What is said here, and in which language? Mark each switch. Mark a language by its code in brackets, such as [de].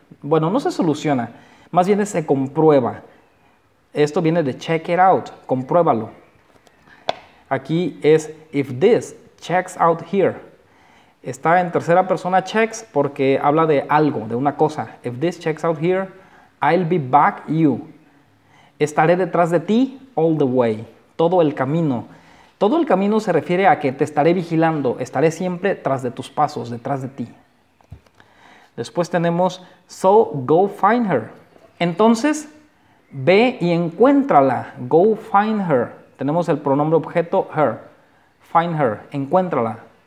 [es] Bueno, no se soluciona, más bien se comprueba. Esto viene de [en] check it out, [es] compruébalo. Aquí es [en] if this checks out here. [es] está en tercera persona checks porque habla de algo, de una cosa. [en] If this checks out here, I'll be back you. [es] Estaré detrás de ti [en] all the way. [es] Todo el camino. Todo el camino se refiere a que te estaré vigilando. Estaré siempre tras de tus pasos, detrás de ti. Después tenemos, [en] so go find her. [es] Entonces, ve y encuéntrala. [en] Go find her. [es] Tenemos el pronombre objeto, [en] her. Find her, [es] encuéntrala.